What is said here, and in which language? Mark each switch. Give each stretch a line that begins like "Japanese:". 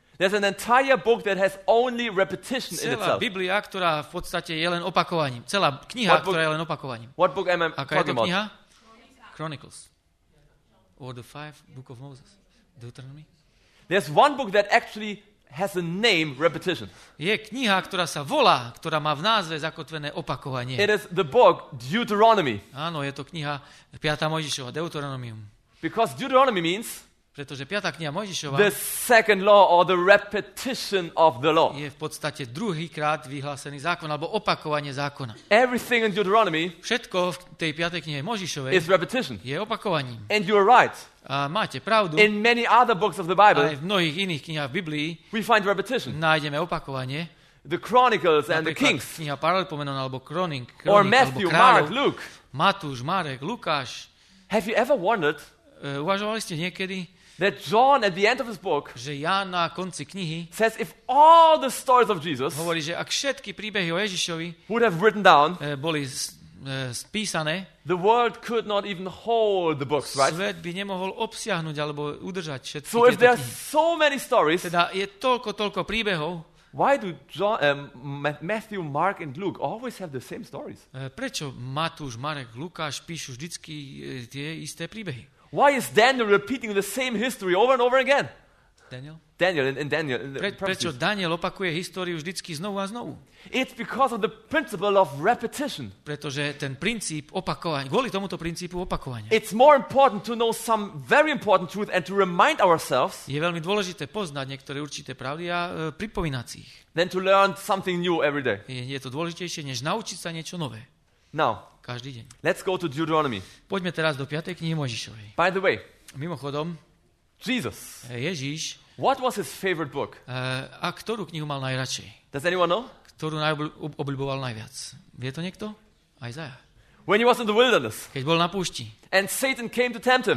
English: There's an entire book that has only repetition in itself.
Slovak: Celá Biblia, ktorá v podstate je len opakovaním. Celá kniha, ktorá je len opakovaním.
English: What book am I talking about?
Slovak: Aká je to kniha? Chronicles.
English: Or the five book of Moses. Deuteronomy. There's one book that actually has a name repetition.
Slovak: Je kniha, ktorá sa volá, ktorá má v názve zakotvené opakovanie.
English: It is the book Deuteronomy.
Slovak: Áno, je to kniha 5. Mojžišova, Deuteronomium.
English: Because Deuteronomy means,
Slovak: pretože 5. kniha Mojžišova,
English: the second law or the repetition of the law.
Slovak: Je v podstate druhýkrát vyhlásený zákon alebo opakovanie zákona.
English: Everything in Deuteronomy,
Slovak: všetko v tej 5. knihe Mojžišovej,
English: is repetition.
Slovak: Je opakovaním.
English: And you are right.
Slovak: A máte pravdu.
English: In many other books of the Bible,
Slovak: aj v mnohých iných knihách v Biblii,
English: we find repetition.
Slovak: Nájdeme opakovanie.
English: The Chronicles and the Kings.
Slovak: Kniha Paralipomenon alebo Kroník,
English: or Matthew,
Slovak: alebo Kráľov,
English: Mark, Luke.
Slovak: Matúš, Marek, Lukáš.
English: Have you ever wondered?
Slovak: Uvažovali ste niekedy?
English: That John at the end of his book,
Slovak: že Ján na konci knihy,
English: says if all the stories of Jesus,
Slovak: hovorí, že ak všetky príbehy o Ježišovi,
English: would have written down,
Slovak: boli spísané,
English: the world could not even hold the books, right?
Slovak: Svet by nemohol obsiahnuť alebo udržať všetky tieto knihy.
English: So if there are so many stories,
Slovak: teda je toľko príbehov.
English: Why do John, Matthew, Mark and Luke always have the same stories?
Slovak: Prečo Matúš, Marek, Lukáš píšu vždycky tie isté príbehy?
English: Why is Daniel repeating the same history over and over again? Daniel.
Slovak: Prečo Daniel opakuje históriu vždycky znovu a znovu?
English: It's because of the principle of repetition.
Slovak: Pretože ten princíp opakovania. Kvôli tomuto princípu opakovania.
English: It's more important to know some very important truth and to remind ourselves.
Slovak: Je veľmi dôležité poznať niektoré určité pravdy a pripomínať si ich.
English: Than to learn something new every day.
Slovak: Je to dôležitejšie než naučiť sa niečo nové.
English: Now.
Slovak: Každý deň.
English: Let's go to Deuteronomy.
Slovak: Poďme teraz do 5. knihy Mojžišovej.
English: By the way.
Slovak: Mimochodom.
English: Jesus.
Slovak: Ježiš.
English: What was his favorite book?
Slovak: A ktorú knihu mal najradšej?
English: Does anyone know?
Slovak: Ktorú obľuboval najviac? Vie to niekto? Izaja.
English: When he was in the wilderness.
Slovak: Keď bol na púšti.
English: And Satan came to tempt him.